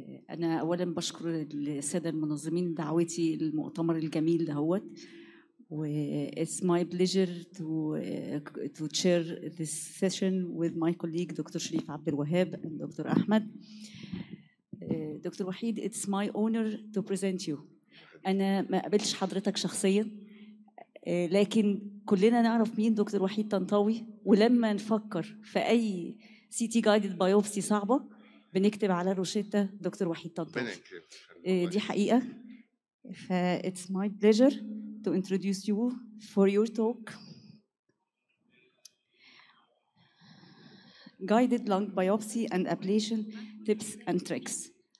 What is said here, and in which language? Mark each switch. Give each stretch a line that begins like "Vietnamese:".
Arabic: أنا أولاً بشكر السادة المنظمين دعوتي للمؤتمر الجميل دهوت.
English: و it's my pleasure to share this session with my colleague doctor شريف عبد الوهاب and دكتور أحمد. دكتور وحيد, it's my honor to present you.
Arabic: أنا ما قابلتش حضرتك شخصياً, لكن كلنا نعرف مين دكتور وحيد طنطاوي, ولما نفكر في أي CT guided biopsy صعبة بنكتب على روشيتا دكتور وحيد طنطاوي. دي حقيقة.
English: It's my pleasure to introduce you for your talk. Guided lung biopsy and ablation tips and tricks.